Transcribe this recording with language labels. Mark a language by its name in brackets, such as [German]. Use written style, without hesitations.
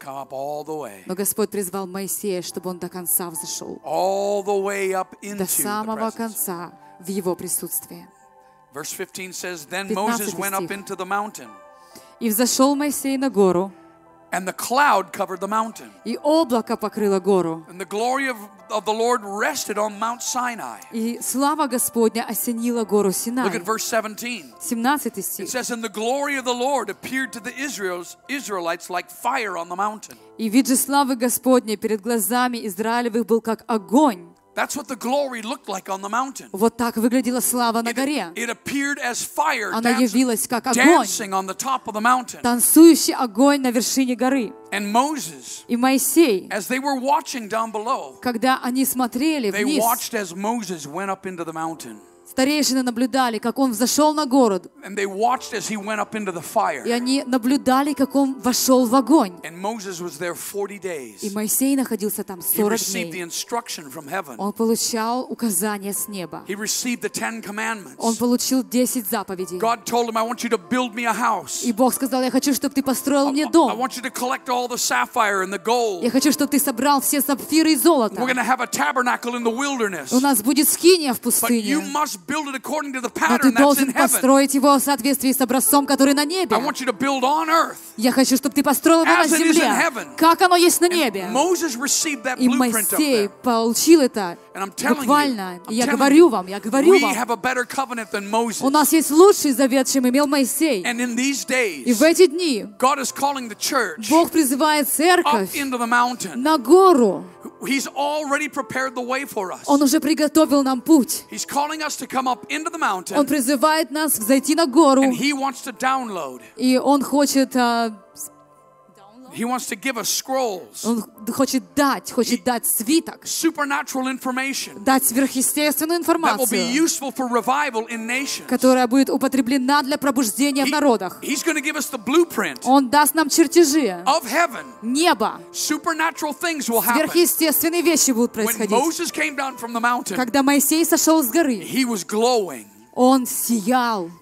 [Russian] Но Господь призвал Моисея, чтобы он до конца взошел. [English] All the way up into [Russian] до самого конца в его присутствие. [English] Verse 15 says, Then Moses went up into the mountain. [Russian] И взошел Моисей на гору. [English] And the cloud covered the mountain. [Russian] И облако покрыло гору. [English] And the glory of the Lord rested on Mount Sinai. [Russian] И слава Господня осенила гору Синай. [English] Look at verse 17. [Russian] 17 стих. [English] It says, And the glory of the Lord appeared to the Israelites like fire on the mountain. [Russian] И вид же славы Господней перед глазами Израилевых был как огонь. [English] That's what the glory looked like on the mountain. [Russian] Вот так выглядела слава на горе. [English] It appeared as fire. [Russian] Она явилась как огонь. [English] Dancing on the top of the mountain. [Russian] Танцующий огонь на вершине горы. [English] And Moses. [Russian] И Моисей. [English] As they were watching down below. [Russian] Когда они смотрели вниз. [English] They watched as Moses went up into the mountain. [Russian] Старейшины наблюдали, как он взошел на гору. [English] And they watched as he went up into the fire. [Russian] И они наблюдали, как он вошел в огонь. [English] And Moses was there 40 days. [Russian] И Моисей находился там 40 дней. [English] He received the instruction from heaven. [Russian] Он получал указания с неба. [English] He received the 10 commandments. [Russian] Он получил 10 заповедей. [English] God told him, I want you to build me a house. [Russian] И Бог сказал, я хочу, чтобы ты построил мне дом. [English] I want you to collect all the sapphire and the gold. [Russian] Я хочу, чтобы ты собрал все сапфиры и золото. [English] We're going to have a tabernacle in the wilderness. [Russian] У нас будет скиния в пустыне. [English] But you must build it according to the pattern that's in heaven. [Russian] Построить его в соответствии с образцом, который на небе. [English] I want you to build on earth. [Russian] Я хочу, чтобы ты построил его на земле. Как оно есть на небе. [English] Moses received that blueprint up there. [Russian] И Моисей получил это. [English] And I'm telling [Russian] буквально, [English] you, [Russian] я говорю вам, я говорю вам, [English] we have a better covenant than Moses. [Russian] У нас есть лучший завет, чем имел Моисей. [English] And in these days, [Russian] и в эти дни, [English] God is calling the church, [Russian] Бог призывает церковь [English] up into the mountain, [Russian] на гору. [English] He's already prepared the way for us. [Russian] Он уже приготовил нам путь. [English] He's calling us to come up into the mountain. [Russian] Он призывает нас взойти на гору. [English] And he wants to download. [Russian] И он хочет [English] He wants to give us scrolls. [Russian] Он хочет дать свиток. [English] Supernatural information. [Russian] Дать сверхъестественную информацию. [English] That will be useful for revival in nations. [Russian] Которая будет употреблена для пробуждения в народах. [English] He's going to give us the blueprint. [Russian] Он даст нам чертежи. [English] Of heaven. [Russian] Неба. [English] Supernatural things will happen. [Russian] Сверхъестественные вещи будут происходить. [English] When Moses came down from the mountain. [Russian] Когда Моисей сошел с горы. [English] He was glowing. [Russian] Он сиял.